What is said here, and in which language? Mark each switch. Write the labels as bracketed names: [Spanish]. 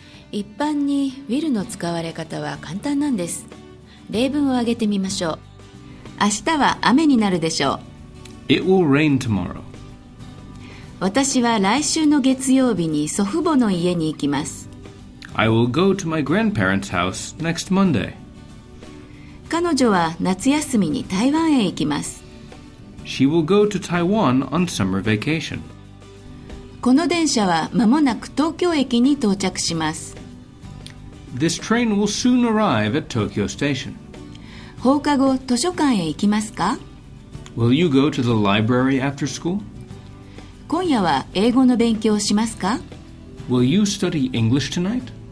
[Japanese] 一般に will の使われ方は簡単なんです。例文を挙げてみましょう。明日は雨になるでしょう。 [English] It will rain tomorrow. [Japanese] 私は来週の月曜日に祖父母の家に行きます。 [English] I will go to my grandparents' house next Monday. [Japanese] 彼女は夏休みに台湾へ行きます。 [English] She will go to Taiwan on summer vacation. [Japanese] この電車は間もなく東京駅に到着します。 [English] This train will soon arrive at Tokyo station. [Japanese] 放課後図書館へ行きますか？ [English] Will you go to the library after school? [Japanese] 今夜は英語の勉強をしますか？ [English] Will you study English tonight?